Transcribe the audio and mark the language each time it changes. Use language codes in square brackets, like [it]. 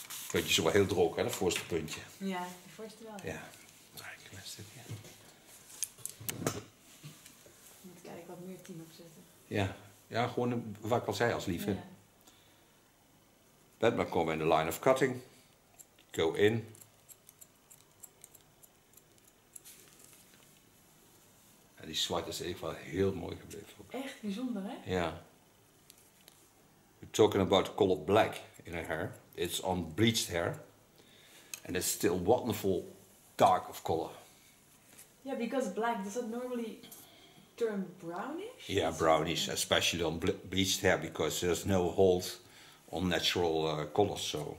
[nl] Puntjes zijn wel heel droog, hè, dat voorste puntje. Ja, de voorste wel. Ja. Draai ik een stukje. Ja. Moet ik eigenlijk wat meer team opzetten. Ja, ja, gewoon wat ik al zei als liefje. [en] Ja. Bend my comb in the line of cutting. Go in. [nl] En die zwart is echt wel heel mooi gebleven. Echt bijzonder, hè? Ja. [en] We're talking about color black in a hair. It's on bleached hair. And it's still wonderful dark of color. Yeah, because black, does it normally turn brownish? Yeah, brownish, especially on bleached hair, because there's no hold on natural colors, so.